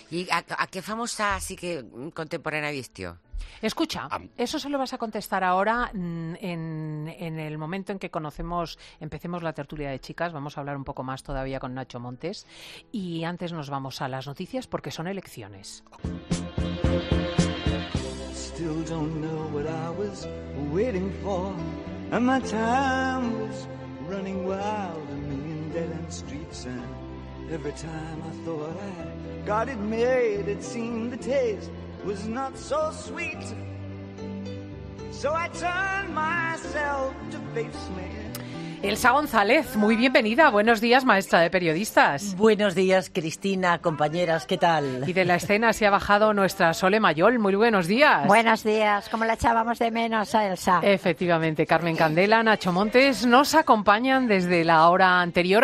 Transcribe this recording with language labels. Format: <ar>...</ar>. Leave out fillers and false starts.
<es>¿Y a qué famosa así que contemporánea vistió? Escucha, eso se lo vas a contestar ahora en el momento en que empecemos la tertulia de chicas. Vamos a hablar un poco más todavía con Nacho Montes. Y antes nos vamos a las noticias porque son elecciones.</es> <en>Still don't know what I was waiting for. And my time was running wild. A million dead end streets. And every time I thought I got it made, it seemed the taste was not so sweet. So I turned myself to face me.</en> <es>Elsa González, muy bienvenida. Buenos días, maestra de periodistas. Buenos días, Cristina, compañeras, ¿qué tal? Y de la escena se ha bajado nuestra Sole Mayol. Muy buenos días. Buenos días, ¿cómo la echábamos de menos a Elsa? Efectivamente, Carmen Candela, Nacho Montes, nos acompañan desde la hora anterior.</es>